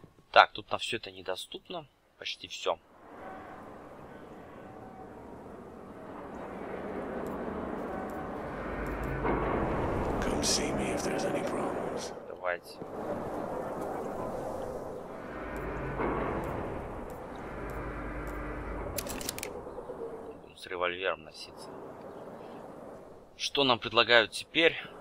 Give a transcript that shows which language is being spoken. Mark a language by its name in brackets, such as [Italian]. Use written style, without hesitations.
[Russian] Так, тут на все это недоступно. Почти все. [English] Come see me if there's any problems. [Russian] Давайте. Будем с револьвером носиться. Что нам предлагают теперь?